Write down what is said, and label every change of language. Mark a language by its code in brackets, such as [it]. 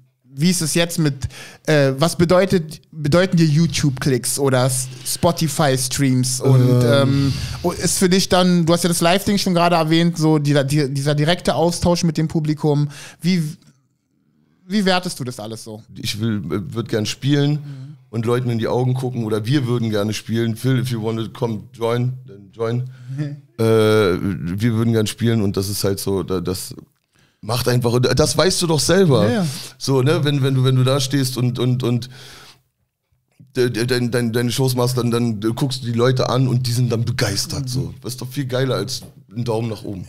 [de] Wie ist es jetzt mit, was bedeuten dir YouTube-Klicks oder Spotify-Streams? Und ist für dich dann, du hast ja das Live-Ding schon gerade erwähnt, so dieser direkte Austausch mit dem Publikum. Wie wertest du das alles so? Ich würde gerne spielen und Leuten in die Augen gucken, oder wir würden gerne spielen. [en] Phil, if you want to come join, then join. [de] Wir würden gerne spielen, und das ist halt so, das macht einfach, das weißt du doch selber. Ja. So, ne, wenn du da stehst und deine Shows machst, dann guckst du die Leute an und die sind dann begeistert. So. Das ist doch viel geiler als ein Daumen nach oben.